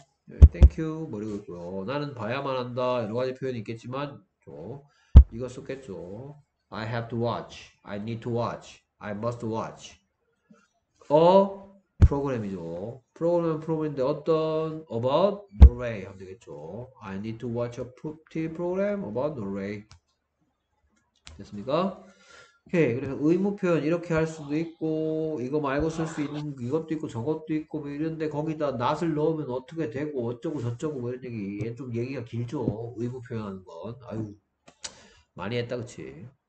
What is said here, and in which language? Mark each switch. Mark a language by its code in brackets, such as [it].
[ko] 네, 땡큐 머리고 있고요. 나는 봐야만 한다. 여러 가지 표현이 있겠지만 좀 이거 썼겠죠. [en] I have to watch. I need to watch. I must watch. [ko] 프로그램이죠. 프로그램은 프로그램인데 어떤 about 노래 하면 되겠죠. [en] I need to watch a TV program about 노래. [ko] 됐습니까? 오케이. 그래서 의무 표현 이렇게 할 수도 있고 이거 말고 쓸수 있는 이것도 있고 저것도 있고 뭐 이런데 거기다 not을 넣으면 어떻게 되고 어쩌고 저쩌고 뭐 이런 얘기 좀 얘기가 길죠. 의무 표현하는 건. 아유 많이 했다 그치?